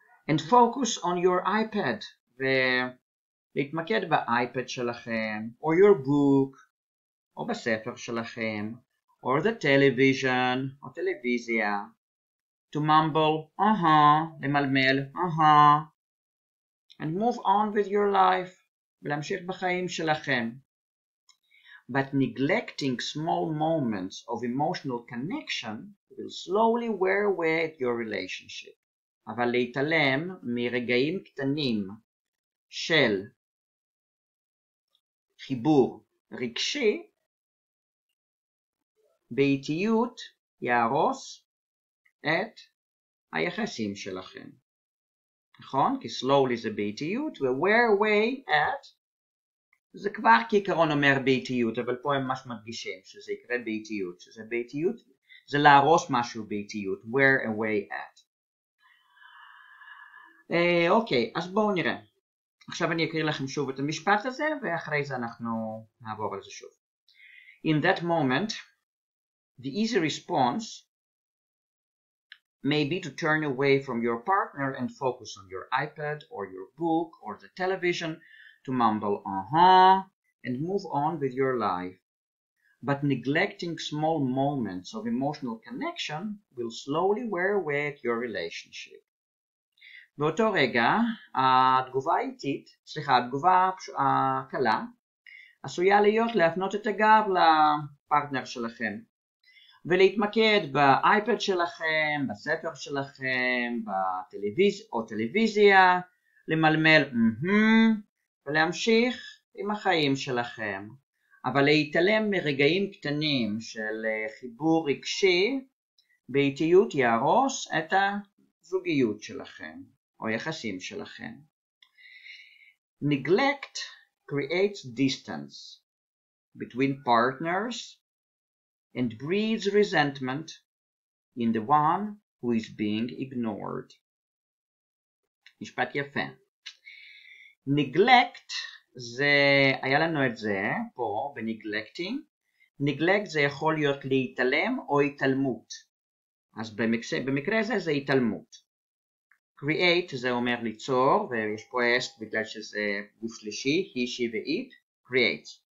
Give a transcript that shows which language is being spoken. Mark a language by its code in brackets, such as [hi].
[en] And focus on your iPad, [he] ולהתמקד באייפד שלכם, [en] or your book, [he] או בספר שלכם, [en] or the television, [he] או טלוויזיה, [en] to mumble, [he] למלמל, [en] and move on with your life, [he] ולהמשיך בחיים שלכם. [en] But neglecting small moments of emotional connection will slowly wear away at your relationship. [he] אבל להתעלם מרגעים קטנים של חיבור רגשי, באיטיות יהרוס את היחסים שלכם. נכון? כי slowly זה באיטיות, ו- [en] wear away at, [he] זה כבר כעיקרון אומר באיטיות, אבל פה הם ממש מדגישים שזה יקרה באיטיות, שזה באיטיות, זה להרוס משהו באיטיות, wear away at. אוקיי, אז בואו נראה. עכשיו אני אקריא לכם שוב את המשפט הזה, ואחרי זה אנחנו נעבור על זה שוב. [en] In that moment, the easy response may be to turn away from your partner and focus on your iPad or your book or the television, to mumble and move on with your life. But neglecting small moments of emotional connection will slowly wear away at your relationship. [he] באותו רגע, התגובה האיטית, סליחה, התגובה הקלה, עשויה להיות להפנות את הגב לפרטנר שלכם, ולהתמקד באייפד שלכם, בספר שלכם, בטלוויזיה, למלמל, ולהמשיך עם החיים שלכם. אבל להתעלם מרגעים קטנים של חיבור רגשי, באיטיות יהרוס את הזוגיות שלכם. או יחסים שלכם. [en] Neglect creates distance between partners and breeds resentment in the one who is being ignored. [he] משפט יפה. Neglect זה, היה לנו את זה פה בניגלקטינג. Neglect זה יכול להיות להתעלם או התעלמות. אז במקרה הזה זה התעלמות. Create זה אומר ליצור, ויש פה S בגלל שזה גוף שלישי, he, she ו-it, create.